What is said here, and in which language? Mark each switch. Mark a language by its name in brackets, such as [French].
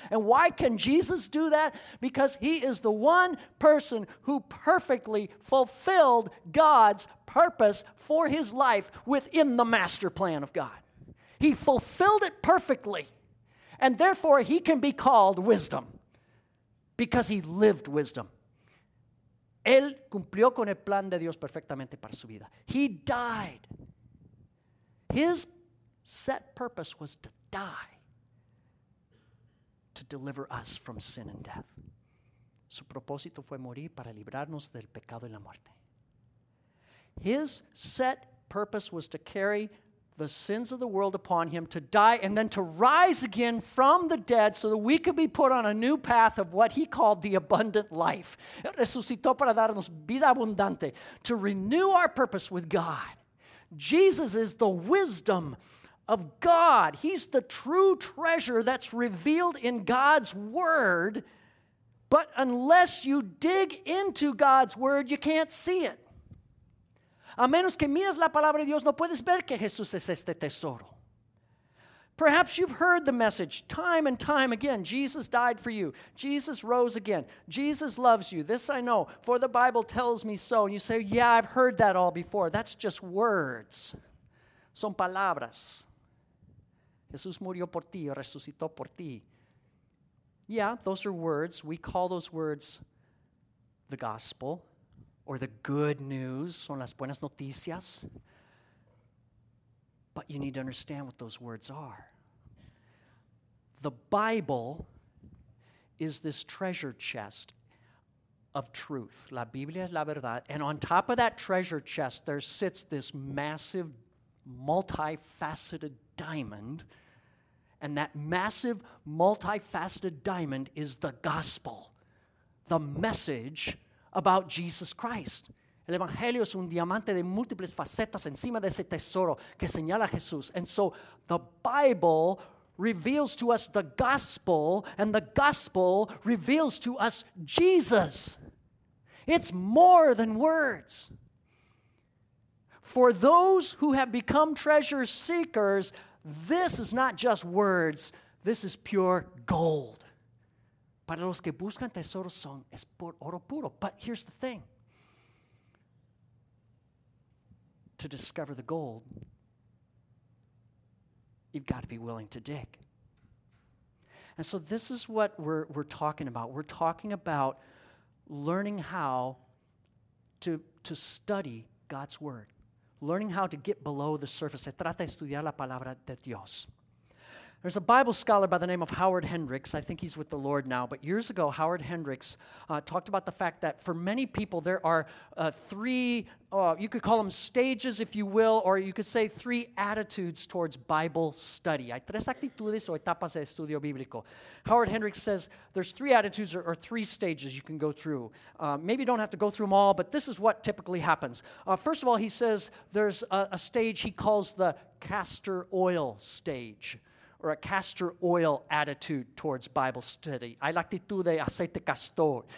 [English] And why can Jesus do that? Because he is the one person who perfectly fulfilled God's purpose for his life within the master plan of God. He fulfilled it perfectly, and therefore he can be called wisdom because he lived wisdom. [Spanish] Él cumplió con el plan de Dios perfectamente para su vida. [English] He died. His set purpose was to die to deliver us from sin and death. [Spanish] Su propósito fue morir para librarnos del pecado y la muerte. [English] His set purpose was to carry the sins of the world upon him, to die and then to rise again from the dead so that we could be put on a new path of what he called the abundant life. [Spanish] Resucitó para darnos vida abundante, [English] to renew our purpose with God. Jesus is the wisdom of God. He's the true treasure that's revealed in God's word. But unless you dig into God's word, you can't see it. [Spanish] A menos que mires la palabra de Dios, no puedes ver que Jesús es este tesoro. [English] Perhaps you've heard the message time and time again. Jesus died for you. Jesus rose again. Jesus loves you. This I know, for the Bible tells me so. And you say, yeah, I've heard that all before. That's just words. [Spanish] Son palabras. Jesús murió por ti, resucitó por ti. [English] Yeah, those are words. We call those words the gospel or the good news. [Spanish] Son las buenas noticias. [English] But you need to understand what those words are. The Bible is this treasure chest of truth. [Spanish] La Biblia es la verdad. [English] And on top of that treasure chest, there sits this massive, multifaceted diamond. And that massive, multifaceted diamond is the gospel, the message about Jesus Christ. [Spanish] El Evangelio es un diamante de múltiples facetas encima de ese tesoro que señala Jesús. [English] And so the Bible reveals to us the gospel, and the gospel reveals to us Jesus. It's more than words. For those who have become treasure seekers, this is not just words. This is pure gold. [Spanish] Para los que buscan tesoros son es oro puro. [English] But here's the thing. To discover the gold, you've got to be willing to dig. And so this is what we're talking about. We're talking about learning how to study God's word, learning how to get below the surface. [Spanish] Se trata de estudiar la palabra de Dios. [English] There's a Bible scholar by the name of Howard Hendricks. I think he's with the Lord now. But years ago, Howard Hendricks talked about the fact that for many people, there are you could call them stages, if you will, or you could say three attitudes towards Bible study. [Spanish] Hay tres actitudes o etapas de estudio bíblico. [English] Howard Hendricks says there's three attitudes or three stages you can go through. Maybe you don't have to go through them all, but this is what typically happens. First of all, he says there's a stage he calls the castor oil stage. Or a castor oil attitude towards Bible study. [Spanish] Hay la actitud de aceite castor.